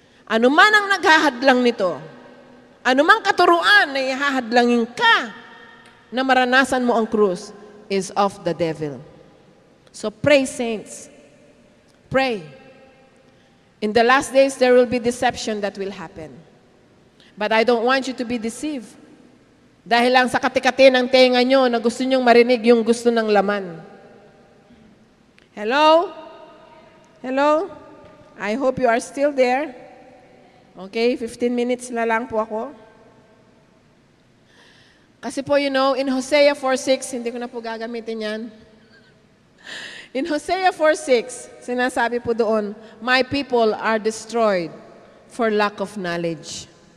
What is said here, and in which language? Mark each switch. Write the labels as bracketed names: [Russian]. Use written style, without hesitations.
[Filipino] Anuman ang naghahadlang nito, anumang katuruan na ihahadlangin ka na maranasan mo ang krus [English] is of the devil. So pray, saints. Pray. In the last days, there will be deception that will happen. But I don't want you to be deceived. [Filipino] Dahil lang sa katikati ng tenga nyo na gusto nyong marinig yung gusto ng laman. [English] Hello? Hello? I hope you are still there. Okay, 15 minutes [Filipino] na lang po ako. Kasi po, [English] you know, [Filipino] in Hosea 4:6, hindi ko na po gagamitin yan. [English] In Hosea 4:6, [Filipino] sinasabi po doon, [English] my people are destroyed for lack of knowledge.